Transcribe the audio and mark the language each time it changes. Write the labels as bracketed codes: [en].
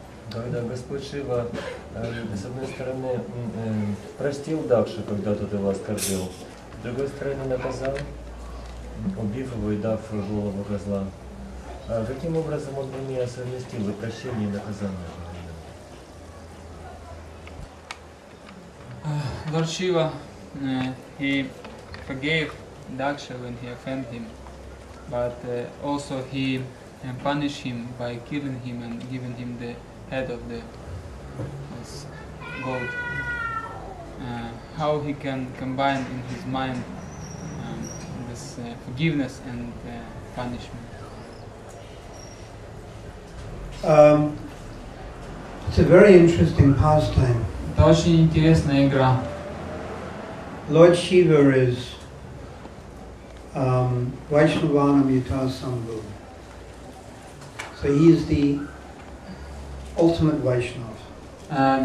[ru] Когда Господь Шива, с одной стороны, простил Дакшу, когда тот его оскорбил, с другой стороны, наказал, убив его и дав голову козла, а каким образом он бы не совместил и прощение, и наказание? [en] Lord Shiva, he forgave Dakshu when he offended him, but also he punished him by killing him and giving him the head of the gold. How he can combine in his mind this forgiveness and punishment? It's It's a very interesting pastime. [ru] Это очень интересная игра. [en] Lord Shiva is Vaishnavanam Yutasambhu. So he is the ultimate Vaishnav.